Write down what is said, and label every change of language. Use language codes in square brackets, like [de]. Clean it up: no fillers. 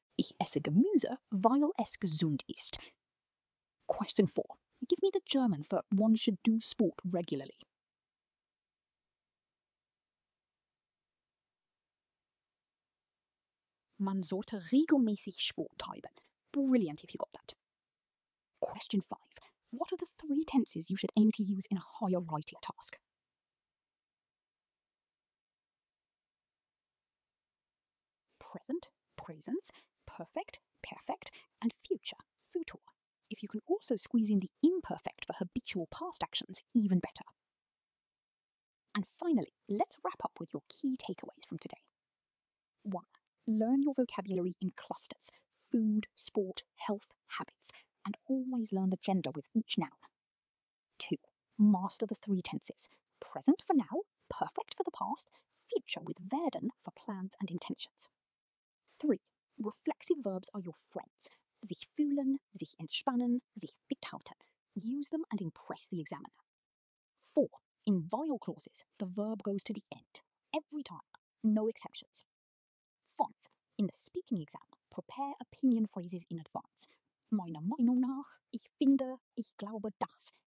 [de] Ich esse Gemüse, weil es gesund ist. [en] Question 4. Give me the German for one should do sport regularly. [de] Man sollte regelmäßig Sport treiben. [en] Brilliant if you got that. Question 5. What are the 3 tenses you should aim to use in a higher writing task? Present, presens, perfect, perfect, and future, futur. If you can also squeeze in the imperfect for habitual past actions, even better. And finally, let's wrap up with your key takeaways from today. 1. Learn your vocabulary in clusters: food, sport, health, habits, and always learn the gender with each noun. 2. Master the 3 tenses: present for now, perfect for the past, future with werden for plans and intentions. 3. Reflexive verbs are your friends. [de] Sich fühlen, sich entspannen, sich fit halten. [en] Use them and impress the examiner. 4. In weil clauses, the verb goes to the end. Every time. No exceptions. 5. In the speaking exam, prepare opinion phrases in advance. [de] Meiner Meinung nach, ich finde, ich glaube das.